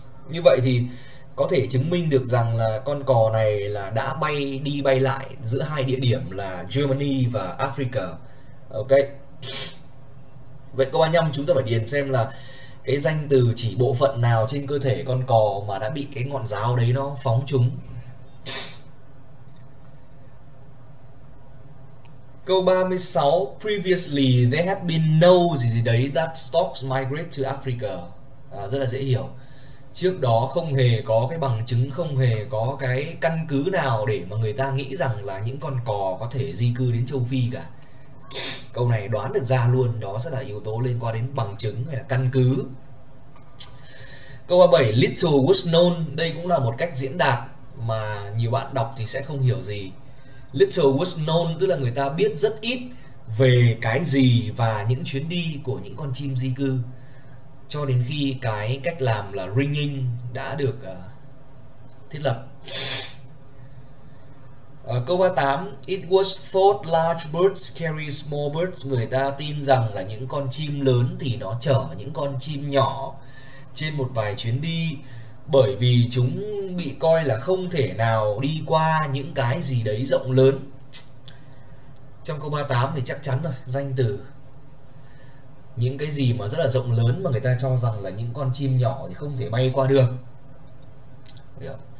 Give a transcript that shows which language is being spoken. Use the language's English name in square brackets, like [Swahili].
[Vietnamese] Như vậy thì có thể chứng minh được rằng là con cò này là đã bay đi bay lại giữa hai địa điểm là Germany và Africa. Ok. Vậy câu 35 chúng ta phải điền xem là cái danh từ chỉ bộ phận nào trên cơ thể con cò mà đã bị cái ngọn giáo đấy nó phóng chúng. Câu 36, [English] previously there had been no [Vietnamese] gì gì đấy [English] that storks migrate to Africa. [Vietnamese] Rất là dễ hiểu. Trước đó không hề có cái bằng chứng, không hề có cái căn cứ nào để mà người ta nghĩ rằng là những con cò có thể di cư đến châu Phi cả. Câu này đoán được ra luôn, đó sẽ là yếu tố liên quan đến bằng chứng hay là căn cứ. Câu 37, [English] little was known. [Vietnamese] Đây cũng là một cách diễn đạt mà nhiều bạn đọc thì sẽ không hiểu gì. [English] Little was known [Vietnamese] tức là người ta biết rất ít về cái gì và những chuyến đi của những con chim di cư cho đến khi cái cách làm là ringing đã được thiết lập. Câu 38, [English] it was thought large birds carry small birds. [Vietnamese] Người ta tin rằng là những con chim lớn thì nó chở những con chim nhỏ trên một vài chuyến đi, bởi vì chúng bị coi là không thể nào đi qua những cái gì đấy rộng lớn. Trong câu 38 thì chắc chắn rồi, danh từ. Những cái gì mà rất là rộng lớn mà người ta cho rằng là những con chim nhỏ thì không thể bay qua được. Hiểu?